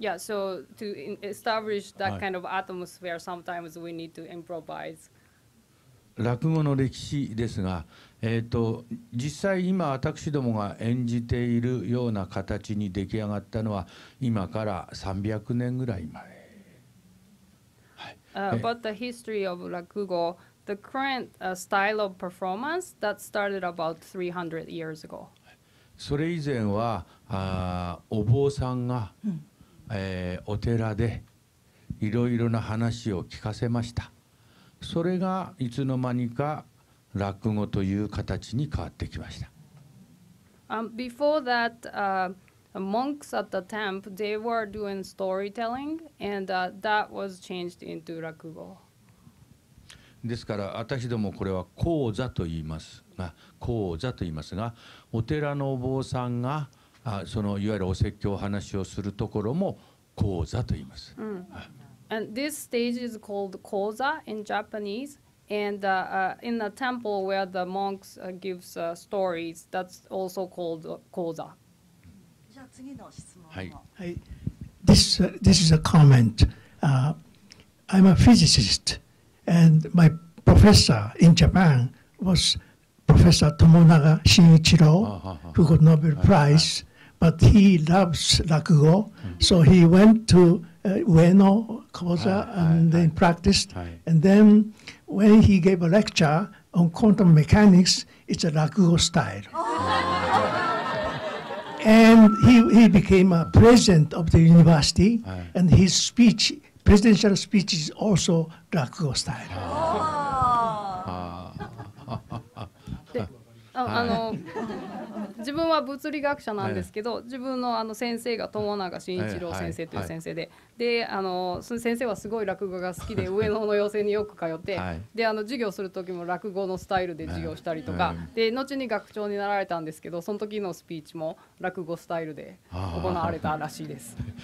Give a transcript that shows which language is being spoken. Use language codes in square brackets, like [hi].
[en] Yeah, so to establish that kind of atmosphere, sometimes we need to improvise. [ja] 落語の歴史ですが、実際今私どもが演じているような形に出来上がったのは今から300年ぐらい前。 [en] But the history of 落語, the current style of performance that started about 300 years ago. [ja] それ以前はお坊さんが、mm. お寺でいろいろな話を聞かせました。それがいつの間にか落語という形に変わってきました。 [en] Before that、monks at the temple, they were doing storytelling and、that was changed into 落語。 [ja] ですから私どもこれは講座と言いますが、講座と言いますが、お寺のお坊さんがそのいわゆるお説教話をするところも講座と言います。 Mm. [en] And this stage is called 講座 in Japanese. And in the temple where the monks gives stories, that's also called 講座。 [ja] じゃあ次の質問。はい。 [en] Hey, this is a comment.、I'm a physicist, and my professor in Japan was Professor Tomonaga Shin-uchiro, who got Nobel Prize.、Uh-huh. But he loves Rakugo, so he went to、Ueno, Koza, and then practiced. And then when he gave a lecture on quantum mechanics, it's a Rakugo style. And he became a president of the university, and his speech, presidential speech, is also Rakugo style. [ja] あの自分は物理学者なんですけど、自分 の, あの先生が友永慎一郎先生という先生 で, であの先生はすごい落語が好きで、上野の寄席によく通って、であの授業する時も落語のスタイルで授業したりとか、で後に学長になられたんですけど、その時のスピーチも落語スタイルで行われたらしいです。